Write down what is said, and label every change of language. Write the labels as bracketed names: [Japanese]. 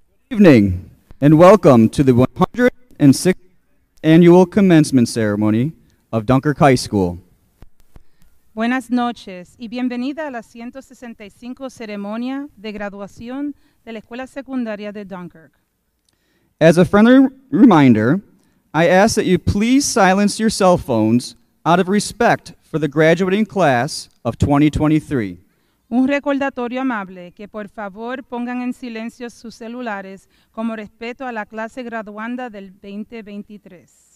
[English] evening, and welcome to the 106th Annual Commencement Ceremony of Dunkirk High School. [Spanish] Buenas noches y bienvenida a la 165 ceremonia de graduación de la Escuela Secundaria de Dunkirk. [English] As a friendly reminder, I ask that you please silence your cell phones out of respect for the graduating class of 2023. [Spanish] Un recordatorio amable que por favor pongan en silencio sus celulares como respeto a la clase graduanda del 2023.